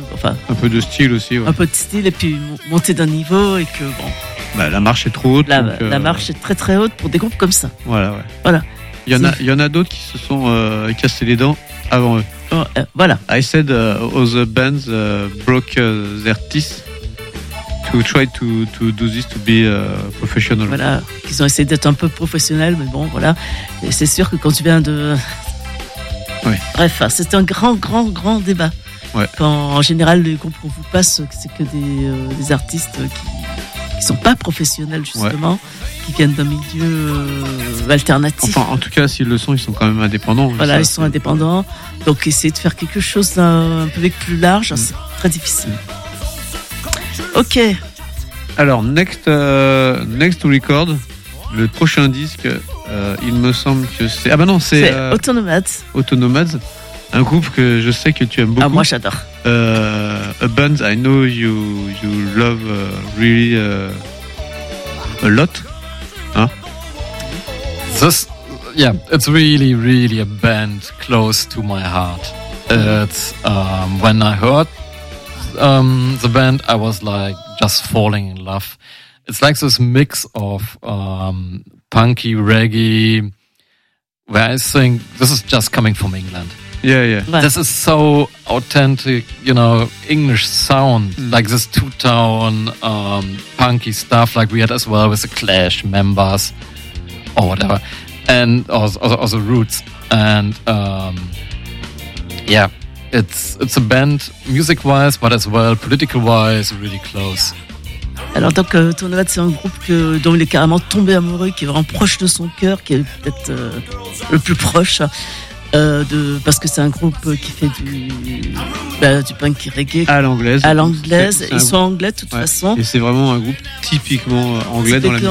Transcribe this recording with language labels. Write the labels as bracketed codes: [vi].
[fr] un peu de style aussi, un peu de style et puis monter d'un niveau et que bon. Bah, la marche est trop haute. La marche est très très haute pour des groupes comme ça. Voilà, ouais. Voilà. Il y en a d'autres qui se sont cassés les dents avant eux. Voilà. [en] I said other bands broke their teeth. who tried to do this to be professional. [fr] Voilà, qu'ils ont essayé d'être un peu professionnels, mais bon, voilà. Et c'est sûr que quand tu viens de... Oui. Bref, c'est un grand débat. Ouais. Quand, en général, les groupes qu'on vous passe, c'est que des artistes qui sont pas professionnels, justement, ouais, qui viennent d'un milieu alternatif. Enfin, en tout cas, s'ils le sont, ils sont quand même indépendants. Voilà, ils sont indépendants. Donc, essayer de faire quelque chose d'un public plus large, c'est très difficile. Ok. Alors, [en] next to record, [fr] le prochain disque, il me semble que c'est... Ah bah non, c'est Autonomads. Autonomads, un groupe que je sais que tu aimes beaucoup. Ah, moi, j'adore. [en] A band I know you love really a lot. [fr] Hein? [en] This, yeah, it's really, really a band close to my heart. It's when I heard the band, I was like just falling in love. It's like this mix of punky reggae, where I think this is just coming from England. Yeah, yeah. But this is so authentic, you know, English sound, like this two-tone punky stuff, like we had as well with the Clash members or whatever, and or the Roots, and yeah. It's a band music-wise, but as well political-wise, really close. [fr] Alors donc, Tournevat, c'est un groupe dont il est carrément tombé amoureux, qui est vraiment proche de son cœur, qui est peut-être le plus proche, parce que c'est un groupe qui fait du punk reggae. À l'anglaise. À l'anglaise. Ils sont anglais, de toute façon. Et c'est vraiment un groupe typiquement anglais dans la musique.